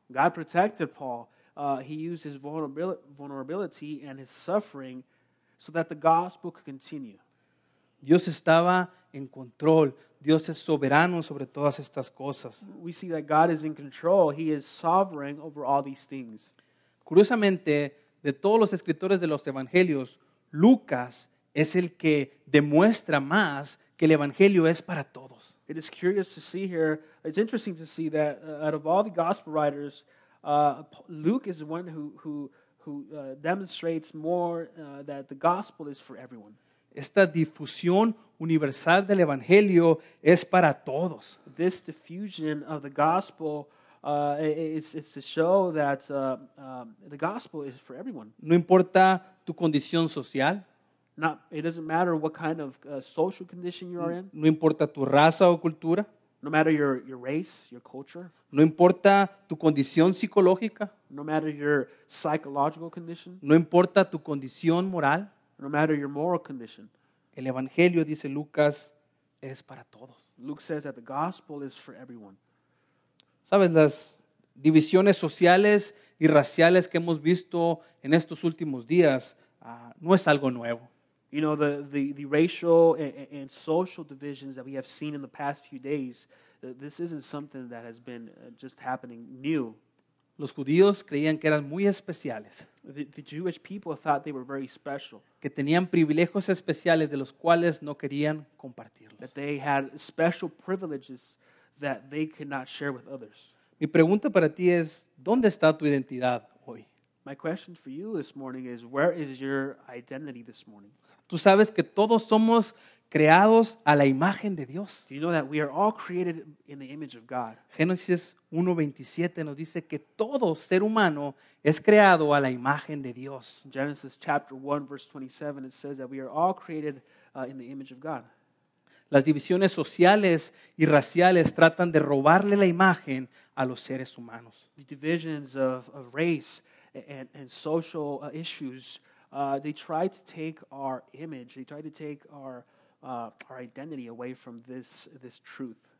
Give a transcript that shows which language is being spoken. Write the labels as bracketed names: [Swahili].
[English] God protected Paul. He used his vulnerability and his suffering so that the gospel could continue. [Spanish] Dios estaba en control. Dios es soberano sobre todas estas cosas. [English] We see that God is in control. He is sovereign over all these things. [Spanish] Curiosamente, de todos los escritores de los evangelios, Lucas es el que demuestra más que el evangelio es para todos. [English] It is curious to see here, it's interesting to see that out of all the gospel writers, Luke is the one who demonstrates more that the gospel is for everyone. [Spanish] Esta difusión universal del evangelio es para todos. [English] This diffusion of the gospel it's to show that the gospel is for everyone. [Spanish] No importa tu condición social. [English] It doesn't matter what kind of social condition you are in. [Spanish] No importa tu raza o cultura. [English] No matter your race, your culture. [Spanish] No importa tu condición psicológica. [English] No matter your psychological condition. [Spanish] No importa tu condición moral. [English] No matter your moral condition. [Spanish] El evangelio, dice Lucas, es para todos. [English] Luke says that the gospel is for everyone. [Spanish] ¿Sabes las divisiones sociales y raciales que hemos visto en estos últimos días? No es algo nuevo. [English] You know, the racial and social divisions that we have seen in the past few days, this isn't something that has been just happening new. [Spanish] Los judíos creían que eran muy especiales. [English] The Jewish people thought they were very special. [Spanish] Que tenían privilegios especiales de los cuales no querían compartirlos. [English] That they had special privileges that they could not share with others. [Spanish] Mi pregunta para ti es, ¿dónde está tu identidad hoy? [English] My question for you this morning is, where is your identity this morning? [Spanish] Tú sabes que todos somos creados a la imagen de Dios. [English] Do you know that we are all created in the image of God? [Spanish] Génesis 1:27 nos dice que todo ser humano es creado a la imagen de Dios. [English] Genesis chapter 1 verse 27, it says that we are all created in the image of God. [Spanish] Las divisiones sociales y raciales tratan de robarle la imagen a los seres humanos. [English] The divisions of race and social issues, they try to take our image, they try to take our identity away from this truth.